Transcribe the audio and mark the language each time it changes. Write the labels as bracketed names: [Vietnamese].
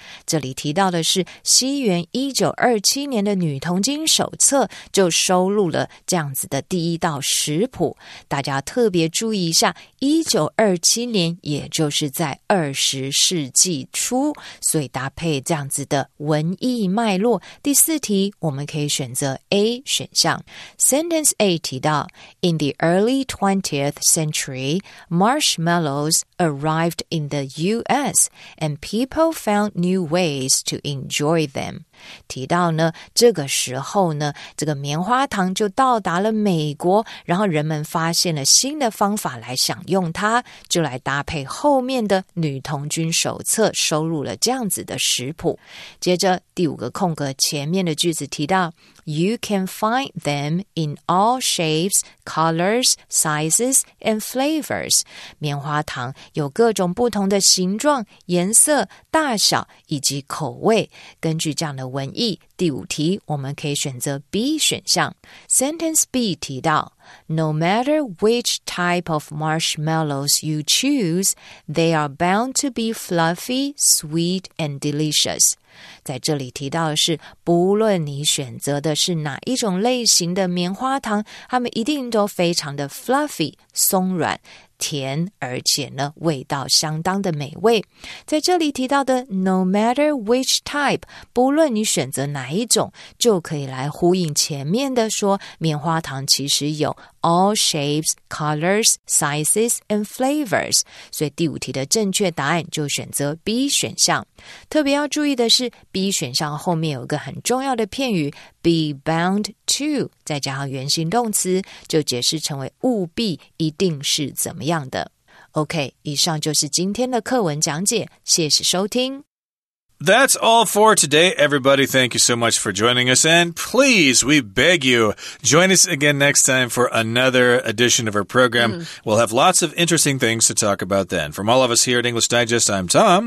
[Chinese] 这里提到的是西元1927年的女童经手册就收录了这样子的第一道食谱，大家特别注意一下，1927年也就是在20世纪初，所以搭配这样子的文艺脉络，第四题我们可以选择 A 选项。 [English] Sentence A 提到 In the early 20th century, marshmallows arrived in the US and people found new ways to enjoy them. [Chinese] 提到呢，这个时候呢，这个棉花糖就到达了美国，然后人们发现了新的方法来享用它，就来搭配后面的女童军手册收录了这样子的食谱。接着第五个空格前面的句子提到 [English] You can find them in all shapes, colors, sizes, and flavors. [Chinese] 棉花糖有各种不同的形状、颜色、大小以及口味。根据这样的文意，第五题我们可以选择 B 选项。 [English] Sentence B 提到No matter which type of marshmallows you choose, they are bound to be fluffy, sweet, and delicious. [Chinese] 在这里提到的是，不论你选择的是哪一种类型的棉花糖，它们一定都非常的 fluffy, 松软。甜，而且呢，味道相当的美味。在这里提到的 [English] no matter which type, [Chinese] 不论你选择哪一种，就可以来呼应前面的说，棉花糖其实有 [English] all shapes, colors, sizes, and flavors。 [Chinese] 所以第五题的正确答案就选择 B 选项。特别要注意的是 ,B 选项后面有一个很重要的片语 , [English] be bound to, [Chinese] 再加上原形动词就解释成为务必一定是怎么样的。 OK, 以上就是今天的课文讲解，谢谢收听。 [English] That's all for today, everybody. Thank you so much for joining us. And please, we beg you, join us again next time for another edition of our program. We'll have lots of interesting things to talk about then. From all of us here at English Digest, I'm Tom.